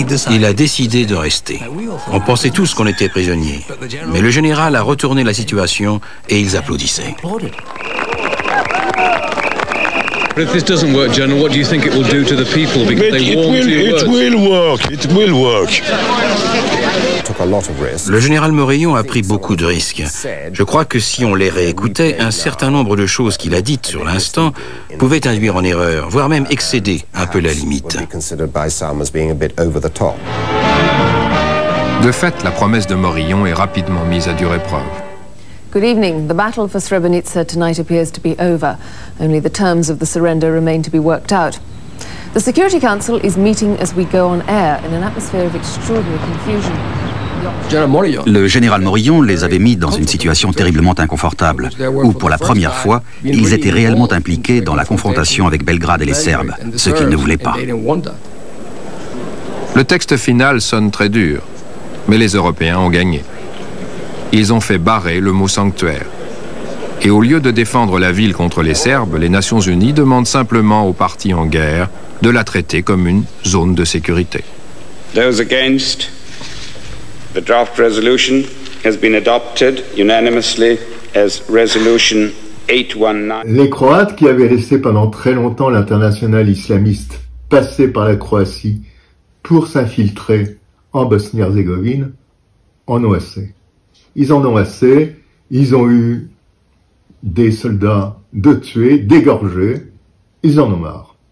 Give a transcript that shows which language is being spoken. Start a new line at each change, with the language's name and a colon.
French: Il a décidé de rester. On pensait tous qu'on était prisonniers. Mais le général a retourné la situation et ils applaudissaient.
English: But if this doesn't work, General, what do you think it will do to the people? Because they warm to your words. It will work. It will work.
French: Le général Morillon a pris beaucoup de risques. Je crois que si on les réécoutait, un certain nombre de choses qu'il a dites sur l'instant pouvaient induire en erreur, voire même excéder un peu la limite. De fait, la promesse de Morillon est rapidement mise à dure épreuve.
English: Good evening. The battle for Srebrenica tonight appears to be over. Only the terms of the surrender remain to be worked out. The Security Council is meeting as we go on air in an atmosphere of extraordinary confusion.
French: Le général Morillon les avait mis dans une situation terriblement inconfortable, où pour la première fois, ils étaient réellement impliqués dans la confrontation avec Belgrade et les Serbes, ce qu'ils ne voulaient pas. Le texte final sonne très dur, mais les Européens ont gagné. Ils ont fait barrer le mot sanctuaire. Et au lieu de défendre la ville contre les Serbes, les Nations Unies demandent simplement aux parties en guerre de la traiter comme une zone de sécurité.
English: Those against, the draft resolution has been adopted unanimously as resolution 819.
French: Les Croates, qui avaient laissé pendant très longtemps l'international islamiste passer par la Croatie pour s'infiltrer en Bosnie-Herzégovine, en ont assez. Ils en ont assez, ils ont eu des soldats de tués, dégorgés, ils en ont marre.